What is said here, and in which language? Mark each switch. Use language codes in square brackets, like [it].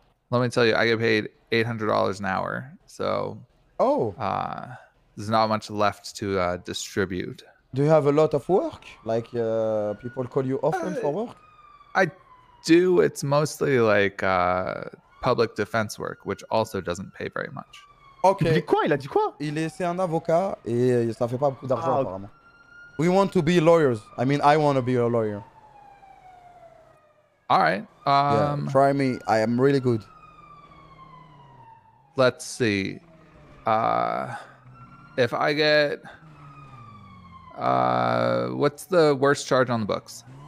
[en] Let me tell you, I get paid $800 an hour. So, there's not much left to distribute. Do you have a lot of work? Like, people call you often for work? I do. It's mostly like public defense work, which also doesn't pay very much. Okay. [fr] Il dit quoi? Il a dit quoi? Il est, c'est un avocat et ça fait pas beaucoup d'argent apparemment. [en] We want to be lawyers. I mean, I want to be a lawyer. All right. Yeah, try me. I am really good. Let's see. If I get, what's the worst charge on the books?